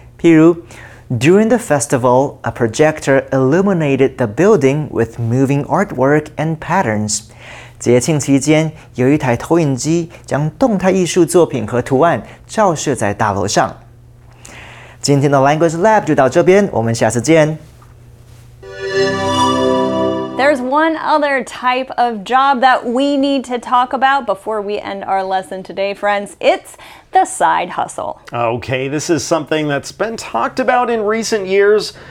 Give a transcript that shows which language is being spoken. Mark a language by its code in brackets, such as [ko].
[zh] 譬如 [en] ，During the festival, a projector illuminated the building with moving artwork and patterns。 [zh] 节庆期间，有一台投影机将动态艺术作品和图案照射在大楼上。今天的 Language Lab 就到这边，我们下次见。 [en] There's one other type of job that we need to talk about before we end our lesson today, friends. It's the side hustle. Okay, this is something that's been talked about in recent years.